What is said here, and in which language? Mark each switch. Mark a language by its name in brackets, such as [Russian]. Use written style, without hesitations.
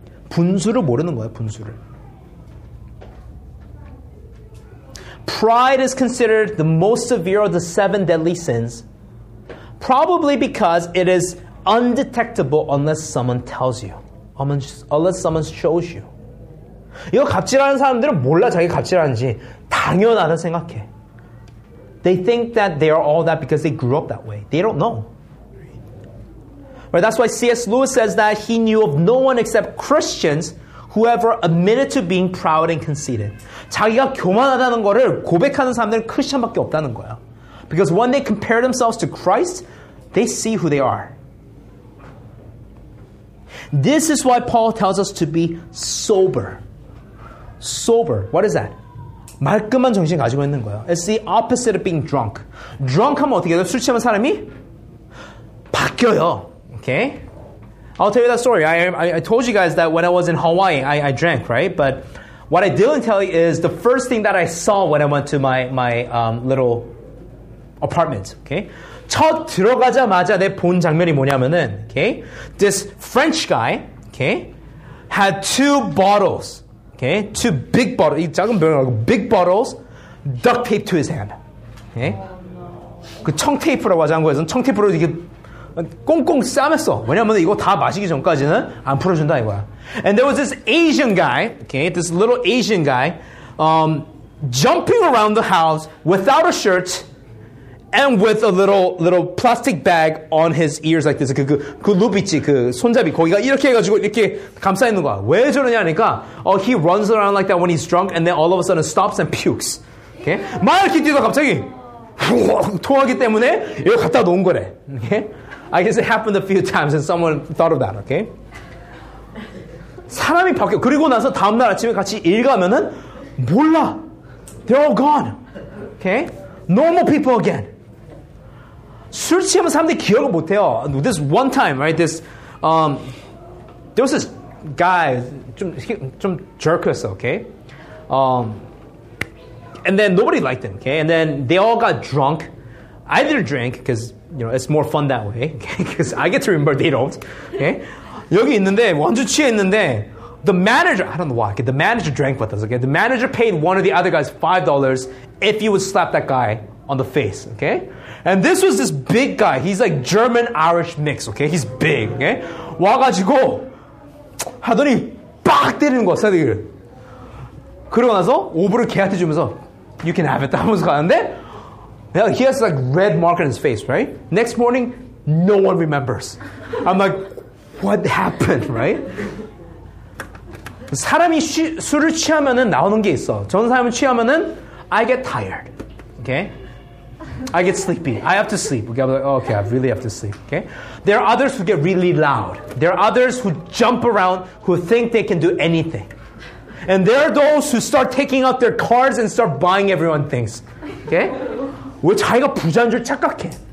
[Korean] 분수를 모르는 거야, 분수를. [English] Pride is considered the most severe of the seven deadly sins, probably because it is undetectable unless someone tells you, unless someone shows you. [Korean] 이거 갑질하는 사람들은 몰라 자기 갑질하는지 당연하다 생각해. [English] They think that they are all that because they grew up that way. They don't know. Right? That's why C.S. Lewis says that he knew of no one except Christians who ever admitted to being proud and conceited. [Korean] 자기가 교만하다는 거를 고백하는 사람들은 크리스천밖에 없다는 거야. [English] Because when they compare themselves to Christ, they see who they are. This is why Paul tells us to be sober. Sober. What is that? [Korean] 말끔한 정신 가지고 있는 거예요. [English] It's the opposite of being drunk. Drunk [Korean] 하면 어떻게 돼요? 술 취하면 사람이 바뀌어요. [English] Okay? I'll tell you that story. I told you guys that when I was in Hawaii, I drank, right? But what I didn't tell you is the first thing that I saw when I went to my little apartment. Okay? [Korean] 첫 들어가자마자 내 본 장면이 뭐냐면은, okay? [English] This French guy, okay? Had two bottles. Okay, two big bottles, [Korean] 작은 병이라고, [English] big bottles, duct tape to his hand. Okay? Oh, no. [Korean] 그 청테이프라고 하지 않고 해서 청테이프로 이렇게 꽁꽁 싸맸어. 왜냐면 이거 다 마시기 전까지는 안 풀어준다 이거야. [English] And there was this Asian guy, okay, this little Asian guy, jumping around the house without a shirt and with a little plastic bag on his ears like this. [Korean] 그 룹 있지, 그 손잡이. 거기가 이렇게 해가지고 이렇게 감싸 있는 거야. 왜 저러냐 하니까, [English] oh, he runs around like that when he's drunk and then all of a sudden stops and pukes. Okay? [Korean] 막 이렇게 뛰다 갑자기 토하기 때문에 이거 갖다 놓은 거래. [English] Okay? I guess it happened a few times and someone thought of that. [Korean] Okay? 사람이 바뀌어. 그리고 나서 다음날 아침에 같이 일 가면은 몰라. [English] They're all gone. Okay? Normal people again. [Korean] 술 취하면 사람들이 기억을 못해요. [English] This one time, right? There was this guy, 좀 jerk였어, okay? And then nobody liked him, okay? And then they all got drunk. I didn't drink, because, you know, it's more fun that way. Because okay? I get to remember they don't, okay? [Korean] 여기 있는데, 완전 취해 있는데, [English] the manager, I don't know why, okay? The manager drank with us, okay? The manager paid one of the other guys $5 if he would slap that guy on the face, okay? And this was this big guy. He's like German-Irish mix, okay? He's big, okay? [Korean] 와가지고 하더니 빡 때리는 거야, 사람들이. 그러고 나서 오브를 걔한테 주면서 [English] you can have it [Korean] 하면서 가는데 [English] he has like red mark on his face, right? Next morning, no one remembers. I'm like, what happened, right? [Korean] 사람이 술을 취하면은 나오는 게 있어. 저런 사람은 취하면은 [English] I get tired. Okay? I get sleepy. I have to sleep. Okay, I'm like, oh, okay, I really have to sleep. Okay? There are others who get really loud. There are others who jump around, who think they can do anything. And there are those who start taking out their cards and start buying everyone things. Okay? [Korean] 왜 자기가 부자인 줄 착각해?